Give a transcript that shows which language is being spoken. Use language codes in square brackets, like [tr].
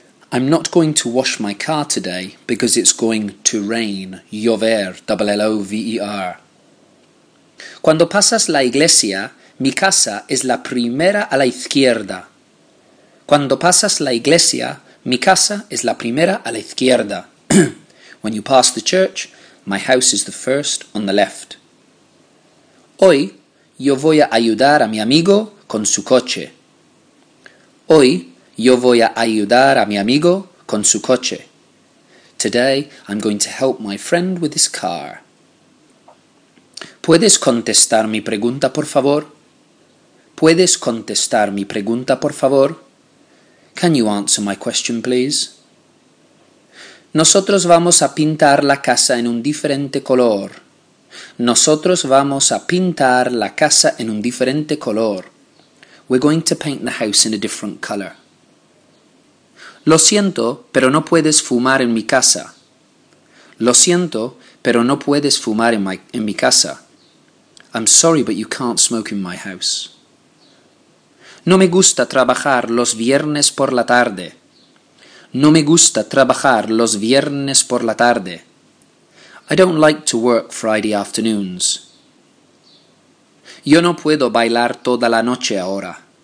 [en] I'm not going to wash my car today because it's going to rain. [es] Llover, LLOVER. Cuando pasas la iglesia, mi casa es la primera a la izquierda. Cuando pasas la iglesia, mi casa es la primera a la izquierda. [en] When you pass the church, my house is the first on the left. [es] Hoy, yo voy a ayudar a mi amigo con su coche. Hoy, yo voy a ayudar a mi amigo con su coche. [en] Today, I'm going to help my friend with his car. [es] ¿Puedes contestar mi pregunta, por favor? ¿Puedes contestar mi pregunta, por favor? [en] Can you answer my question, please? [es] Nosotros vamos a pintar la casa en un diferente color. Nosotros vamos a pintar la casa en un diferente color. [en] We're going to paint the house in a different color. [es] Lo siento, pero no puedes fumar en mi casa. Lo siento, pero no puedes fumar en mi casa. [en] I'm sorry, but you can't smoke in my house. [es] No me gusta trabajar los viernes por la tarde. No me gusta trabajar los viernes por la tarde. [en] I don't like to work Friday afternoons. [es] Yo no puedo bailar toda la noche ahora.